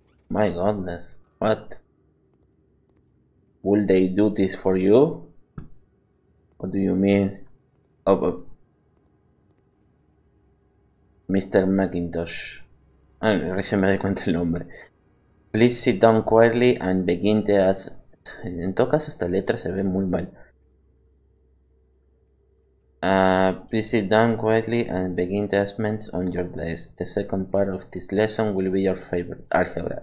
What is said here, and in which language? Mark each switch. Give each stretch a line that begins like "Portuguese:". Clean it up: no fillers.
English: My goodness, what? Will they do this for you? What do you mean? Oh, Mr. McIntosh.
Spanish: Ah, recién me di cuenta el nombre.
English: Please sit down quietly and begin to ask.
Spanish: En todo caso, esta letra se ve muy mal.
English: Please sit down quietly and begin the assignments on your desk. The second part of this lesson will be your favorite, algebra.